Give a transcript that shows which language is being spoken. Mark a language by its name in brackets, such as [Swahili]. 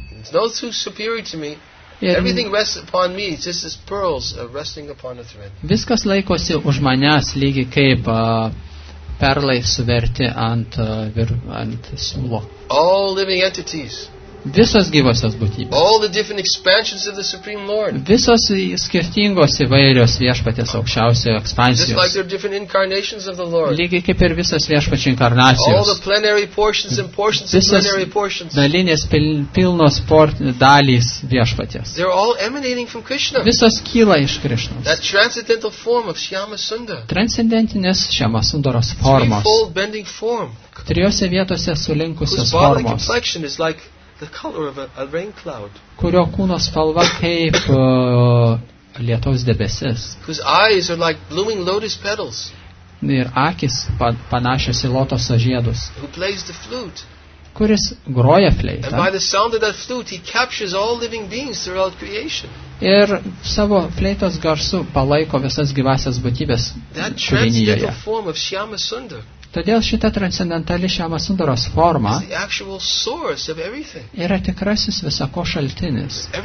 [English] There's no truth superior to me. Everything rests upon me, just as pearls are resting upon a thread. [Lithuanian] Viskas laikosi už manęs lygiai kaip perlai suverti ant siūlo. [English] All living entities. [Lithuanian] Visos gyvosios būtybės. [English] All the different expansions of the Supreme Lord. [Lithuanian] Visos skirtingos įvairios Viešpaties Aukščiausiojo ekspansijos. [English] Just like there are different incarnations of the Lord. [Lithuanian] Lygiai kaip ir visos Viešpačio inkarnacijos. [English] All the plenary portions and portions [Lithuanian] visos [English] of plenary portions. [Lithuanian] Dalinės pilnos dalys Viešpaties. [English] They're all emanating from Krishna. [Lithuanian] Visos kyla iš Krišnos. [English] That transcendental form of Shyamasunda. [Lithuanian] Transcendentinės Shyamasundaros formos. [English] Three-fold bending form. [Lithuanian] Trijose vietose sulinkusios formos. [English] The color of a rain cloud. [Lithuanian] Kurio kūno spalva kaip lietaus debesis. [English] Whose eyes are like blooming lotus petals. [Lithuanian] Ir akis panašios į lotoso žiedus. [English] Who plays the flute. [Lithuanian] Kuris groja fleita. [English] And by the sound of that flute he captures all living beings throughout creation. [Lithuanian] Ir savo fleitos garsu palaiko visas gyvasias būtybės kūrinyje. [English] That form of Shyamasunda. [Lithuanian] Todėl šita transcendentali Shyamasundaros forma yra tikrasis visako šaltinis.